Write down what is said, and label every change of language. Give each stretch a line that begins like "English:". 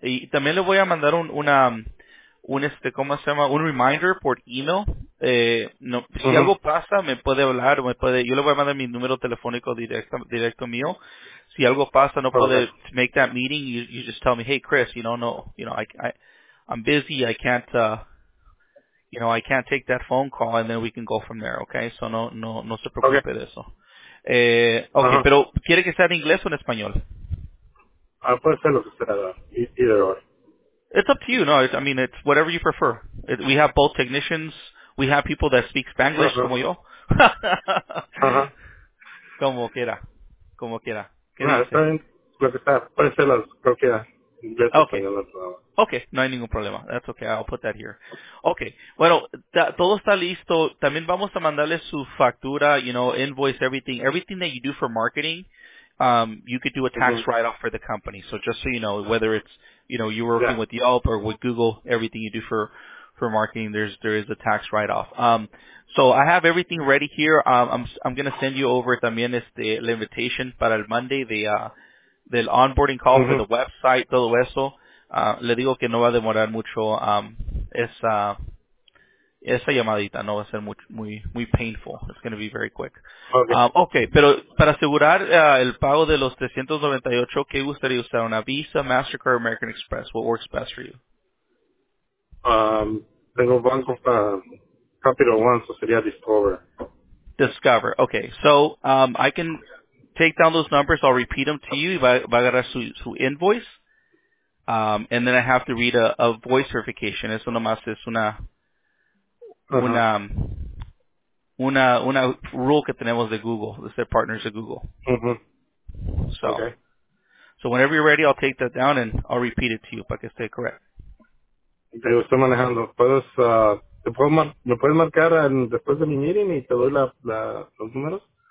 Spanish: Y también le voy a mandar un reminder por email. No, si algo pasa, me puede hablar, yo le voy a mandar mi número telefónico directo mío. Si algo pasa, no puede
English: make that meeting, you just tell me, hey Chris, I'm busy, I can't take that phone call, and then we can go from there, okay?
Spanish: So no se preocupe de eso. Okay, pero ¿quiere que sea en inglés o en español? Puede ser lo que sea,
English: either or. It's up to you. No, I mean, it's whatever you prefer. We have both technicians. We have people that speak Spanglish, uh-huh.
Spanish: Como yo. Uh-huh. Como quiera.
English: Okay,
Spanish: no hay ningún problema.
English: That's okay. I'll put that here. Okay.
Spanish: Bueno, todo está listo. También vamos a mandarle su factura,
English: invoice, everything. Everything that you do for marketing, you could do a tax write-off for the company. So just so you know, whether it's, you're working with Yelp or with Google, everything you do for marketing, there is a tax write-off. So I have everything ready here. I'm going to send you over
Spanish: también la
English: invitation
Spanish: para el
English: Monday, del onboarding call for the website,
Spanish: todo eso. Le digo que no va a demorar mucho esa llamadita, no va a ser muy painful.
English: It's going to be very quick. Okay,
Spanish: pero para asegurar el pago de los 398, ¿qué gustaría usar? ¿Una Visa, Mastercard, American Express?
English: What works best for you?
Spanish: Tengo banco para Capital One, so sería Discover.
English: Discover, okay. So I can take down those numbers. I'll repeat them to you.
Spanish: Va a agarrar su invoice.
English: And then I have to read a voice verification.
Spanish: Eso nomás es una rule que tenemos de Google, de ser partners de Google. Mm-hmm.
English: So whenever you're ready, I'll take that down and I'll repeat it to you
Spanish: para que esté
English: correct.
Spanish: Te estoy manejando. ¿Me puedes marcar después de mi meeting y te doy los números?